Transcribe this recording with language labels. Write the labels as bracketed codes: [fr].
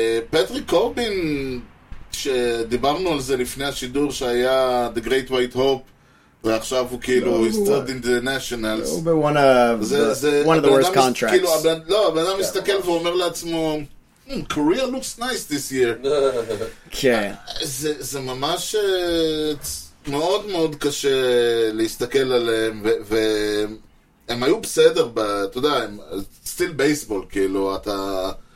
[he] פטריק קורבין, שדיברנו על זה לפני השידור שהיה [en] the great white hope, [he] ועכשיו הוא כאילו, [en] he started in the Nationals. [he] הוא [en] one of the worst contracts. [he] כאילו, לא, הבן אדם מסתכל ואומר לעצמו, [en] Korea looks nice this year. [he] כן. זה ממש מאוד מאוד קשה להסתכל עליהם, והם היו בסדר, אתה יודע, הם still baseball, כאילו, אתה...